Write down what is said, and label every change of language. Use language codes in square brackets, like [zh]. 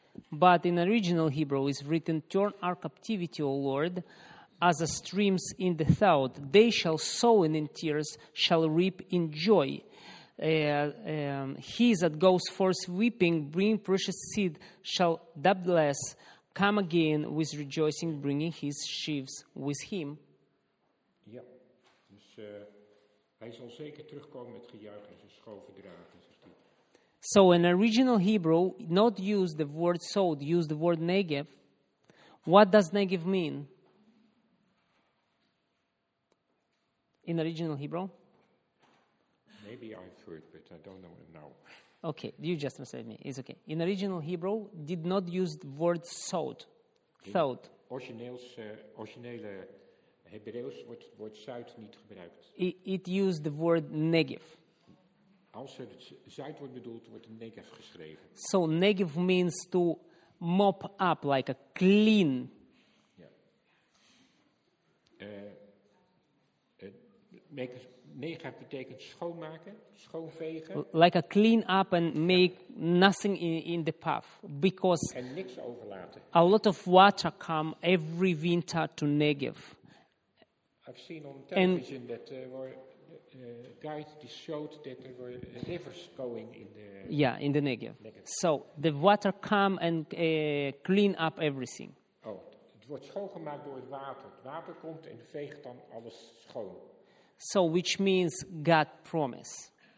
[en] But in original Hebrew is written, turn our captivity, O Lord, as the streams in the south. They shall sow in tears, shall reap in joy. He that goes forth weeping, bring precious seed, shall doubtless come again with rejoicing, bringing his sheaves with him. [nl] Ja, dus hij zal zeker terugkomen met gejuich en zijn schoven dragen. [en] So, in original Hebrew, not use the word sowed, use the word Negev. What does Negev mean? In original Hebrew? Maybe I've heard, but I don't know it now. Okay, you just misled me. It's okay. In original Hebrew, did not use the word sowed. Sowed. [nl] Originele Hebreeuws wordt het woord zuid niet gebruikt. [en] It used the word Negev. [nl] Als het zuid wordt bedoeld, wordt het Negev geschreven. [en] So Negev means to mop up, like a clean. [nl] Negev betekent schoonmaken, schoonvegen. [en] Like a clean up and make nothing in the path. Because [nl] en niks overlaten. [en] A lot of water come every winter to Negev. I've seen on television and that guides that showed that there were rivers going in the In the Negev. So the water come and clean up everything. [nl] Oh, het wordt schoongemaakt door het water. Het water komt en veegt dan alles schoon. [en] So which means God promise.